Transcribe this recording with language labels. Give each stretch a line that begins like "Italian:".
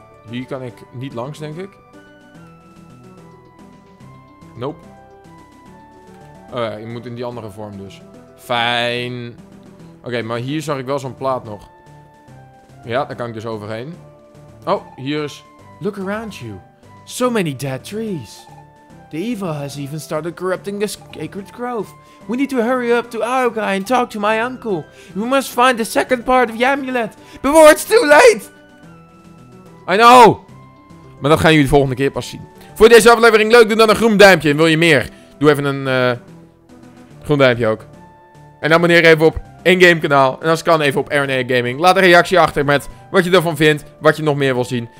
Dutch: Hier kan ik niet langs, denk ik. Nope. Oh ja, je moet in die andere vorm dus. Fijn. Oké, maar hier zag ik wel zo'n plaat nog. Ja, daar kan ik dus overheen. Oh, hier is...
English: Look around you. So many dead trees. The evil has even started corrupting this sacred grove. We need to hurry up to Aoka and talk to my uncle. We must find the second part of the amulet before it's too late. I know.
Dutch: Maar dat gaan jullie de volgende keer pas zien. Voor deze aflevering leuk, doe dan een groen duimpje. En wil je meer? Doe even een... groen duimpje ook. En abonneer even op InGame kanaal. En als het kan even op RNA Gaming. Laat een reactie achter met wat je ervan vindt. Wat je nog meer wil zien.